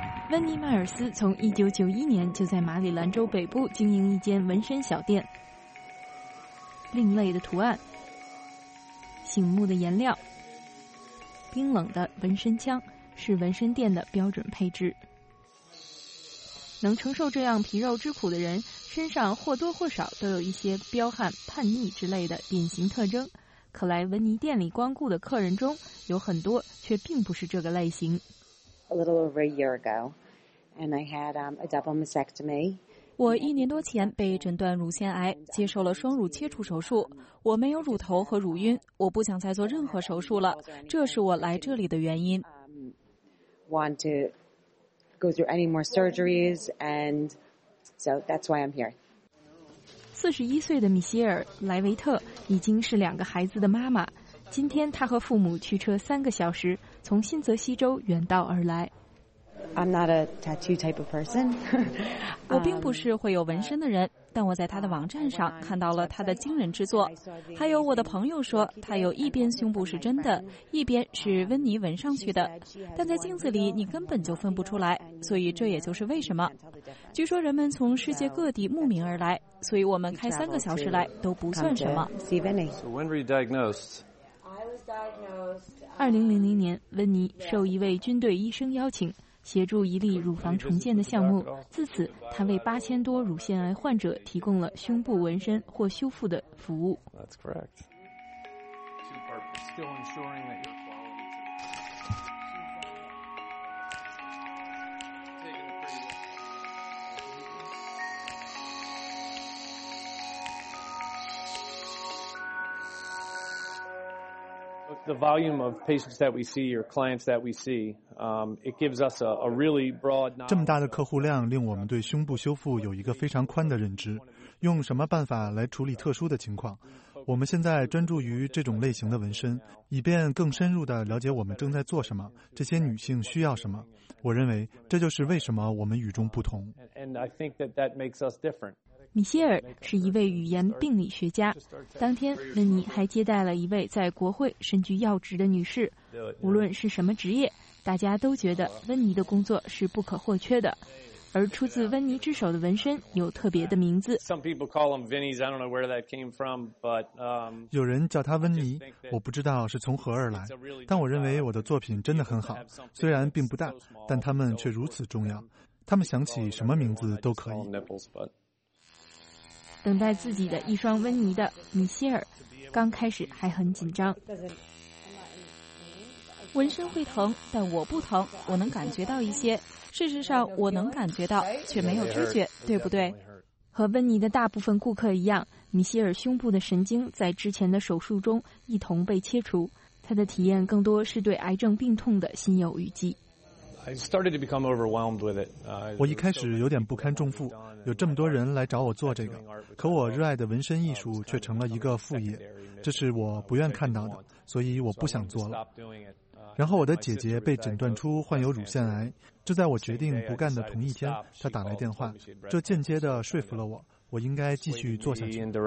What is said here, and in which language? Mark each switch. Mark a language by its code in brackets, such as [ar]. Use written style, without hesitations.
[zh] 温妮·迈尔斯从1991年就在马里兰州北部经营一间纹身小店，另类的图案，醒目的颜料，冰冷的纹身枪是纹身店的标准配置。能承受这样皮肉之苦的人身上或多或少都有一些彪悍叛逆之类的典型特征，可来温妮店里光顾的客人中有很多却并不是这个类型。 [en] A little over a year ago, and I had a double mastectomy. [zh] 我一年多前被诊断乳腺癌，接受了双乳切除手术。我没有乳头和乳晕，我不想再做任何手术了，这是我来这里的原因。 [en] Want to go through any more surgeries, and so that's why I'm here. [zh] 41岁的米歇尔·莱维特已经是两个孩子的妈妈。今天他和父母驱车3个小时从新泽西州远道而来。 [en] I'm not a tattoo type of person. [zh] 我并不是会有纹身的人，但我在他的网站上看到了他的惊人之作。还有我的朋友说他有一边胸部是真的，一边是温妮纹上去的，但在镜子里你根本就分不出来，所以这也就是为什么。据说人们从世界各地慕名而来，所以我们开3个小时来都不算什么。 [en] So when were you diagnosed? [zh] 2000年，温妮受一位军队医生邀请，协助一例乳房重建的项目。自此，他为8000多乳腺癌患者提供了胸部纹身或修复的服务。 [en] That's correct. Still ensuring that your The volume of patients that we see, your clients that we see, it gives us a really broad. [zh] 这么大的客户量令我们对胸部修复有一个非常宽的认知。用什么办法来处理特殊的情况？我们现在专注于这种类型的纹身，以便更深入地了解我们正在做什么，这些女性需要什么。我认为这就是为什么我们与众不同。 [en] And I think that that makes us different. [zh] 米歇尔是一位语言病理学家。当天，温妮还接待了一位在国会身居要职的女士。无论是什么职业，大家都觉得温妮的工作是不可或缺的。而出自温妮之手的纹身有特别的名字。 [en] Some people call them Vinnies. I don't know where that came from, but [zh] 有人叫他温妮，我不知道是从何而来。但我认为我的作品真的很好，虽然并不大，但他们却如此重要。他们想起什么名字都可以。等待自己的一双温妮的米歇尔刚开始还很紧张。纹身会疼，但我不疼，我能感觉到一些。事实上我能感觉到却没有知觉，对不对？和温妮的大部分顾客一样，米歇尔胸部的神经在之前的手术中一同被切除。他的体验更多是对癌症病痛的心有余悸。 [en] I started to become overwhelmed with it. [zh] 我一开始有点不堪重负，有这么多人来找我做这个，可我热爱的纹身艺术却成了一个副业，这是我不愿看到的，所以我不想做了。然后我的姐姐被诊断出患有乳腺癌，就在我决定不干的同一天，她打来电话，这间接地说服了我，我应该继续做下去。